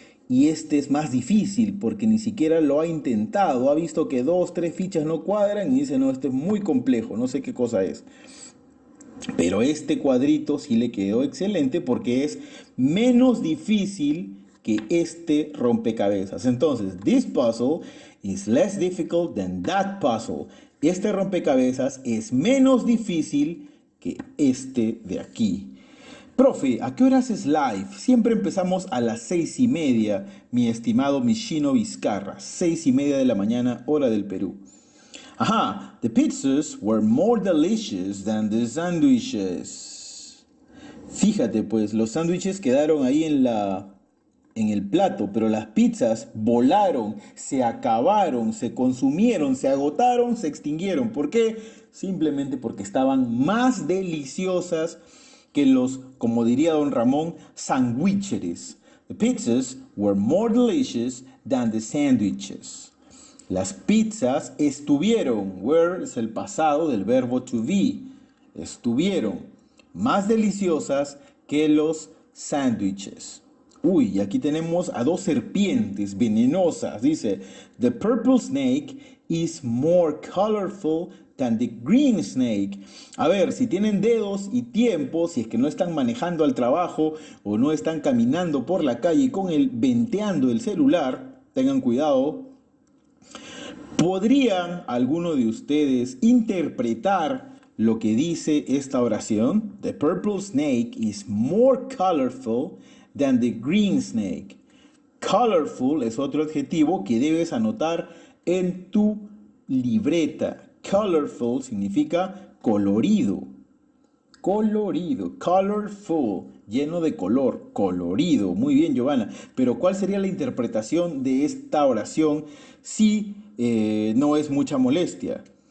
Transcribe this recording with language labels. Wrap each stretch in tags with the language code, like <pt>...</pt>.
<es>Y este es más difícil porque ni siquiera lo ha intentado. Ha visto que dos, tres fichas no cuadran y dice, no, este es muy complejo, no sé qué cosa es. Pero este cuadrito sí le quedó excelente porque es menos difícil que este rompecabezas.</es> <en>Entonces, this puzzle is less difficult than that puzzle.</en> <es>Este rompecabezas es menos difícil que este de aquí. Profe, ¿a qué horas es live? Siempre empezamos a las 6:30, mi estimado Michino Vizcarra. 6:30 de la mañana, hora del Perú.</es> <en>Ajá, the pizzas were more delicious than the sandwiches.</en> <es>Fíjate, pues, los sándwiches quedaron ahí en el plato, pero las pizzas volaron, se acabaron, se consumieron, se agotaron, se extinguieron. ¿Por qué? Simplemente porque estaban más deliciosas que los, como diría don Ramón, sándwiches.</es> <en>The pizzas were more delicious than the sandwiches.</en> <es>Las pizzas estuvieron, were es el pasado del verbo to be, estuvieron más deliciosas que los sándwiches. Uy, y aquí tenemos a dos serpientes venenosas.</es> <en>Dice, The purple snake is more colorful than the green snake.</en> <es>A ver, si tienen dedos y tiempo, si es que no están manejando al trabajo o no están caminando por la calle con el venteando el celular, tengan cuidado. ¿Podrían alguno de ustedes interpretar lo que dice esta oración?</es> <en>The purple snake is more colorful than the green snake.</en> <es>Colorful es otro adjetivo que debes anotar en tu libreta. Colorful significa colorido. Colorido, colorful, lleno de color, colorido. Muy bien, Giovanna. Pero ¿cuál sería la interpretación de esta oración si no es mucha molestia?</es>